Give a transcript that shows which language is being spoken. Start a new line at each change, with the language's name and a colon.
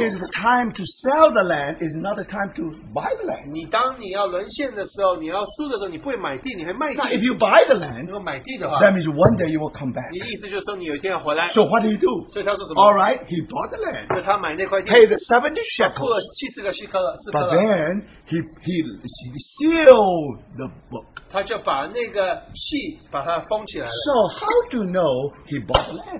English: it is the time to sell the land, is not the time to buy the land.
Chinese: 你当你要沦陷的时候, 你要输的时候, 你不会买地, 你还卖地。
English: Now, if you buy the land,
Chinese: 如果买地的话,
English: that means one day you will come back.
Chinese: 你意思就是说你有一天要回来。
English: So what do you do?
Chinese: 所以他说什么?
English: All right, he bought the land.
Chinese: 所以他买那块地,
English: pay the 70 shekels.
Chinese: 他付了70个西克勒,
English: but then he sealed the book.
Chinese: 他就把那个契把它封起来了。
English: So how do you know he bought the land?